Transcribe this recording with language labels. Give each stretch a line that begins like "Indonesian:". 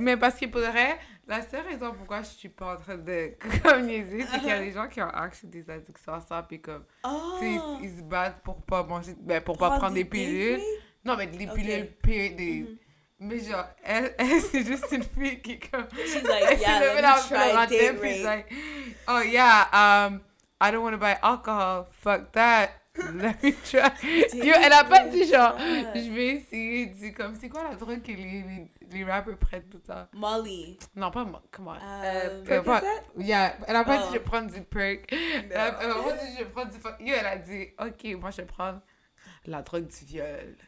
French: Mais parce que pour vrai, la seule raison pourquoi je suis pas en train de communiquer, c'est qu'il y a des gens qui ont accès des addictions à ça, puis comme, oh. Tu sais, ils se battent pour pas manger, ben pour pas prendre des pilules. Pays? Non, mais des pilules, okay. Des... Mm-hmm. Mais genre, elle c'est juste une fille qui comme...
English: She's like, yeah, let me try date rape. Like, oh yeah, I don't want to buy alcohol, fuck that. Let me try.
French: Yo, elle a pas dit genre, je vais essayer. Dit comme, c'est quoi la drogue que les rappers prennent tout ça? Molly. Non, pas Molly.
English: Come on.
French: Percocet?
English: Yeah.
French: Elle a pas dit, je vais prendre du perk. No. Elle a pas dit, je vais prendre du perk. Yo, elle a dit, OK, moi, je vais prendre la drogue du viol.